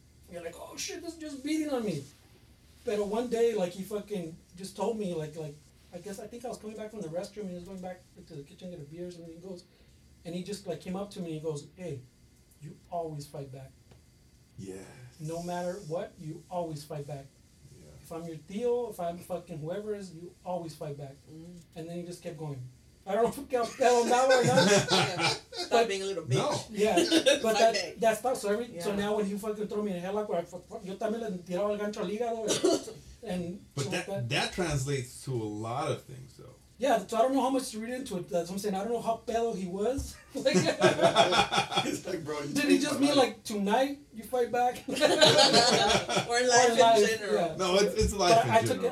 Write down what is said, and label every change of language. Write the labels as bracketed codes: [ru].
[en] You're like, oh shit, this is just beating on me. But one day, like, he fucking just told me, like, I think I was coming back from the restroom, and he was going back to the kitchen to get a beer, and he goes, and he just, like, came up to me, and he goes, hey, you always fight back. Yeah. No matter what, you always fight back. Yeah. If I'm your deal, if I'm fucking whoever is, you always fight back. Mm-hmm. And then he just kept going. I don't know if I'll tell him that one. Stop being a little bitch. No. Yeah. But that stuff. So, so now when he fucking throw me in hell, like, [es] yo también le tiraba el gancho al hígado. [en] But that translates to a lot of things, though. Yeah, so I don't know how much to read into it. That's what I'm saying. I don't know how pedo he was. He's like, bro, did he just mean, like, tonight you fight back? or life in general. Yeah. No, it's life but in I general.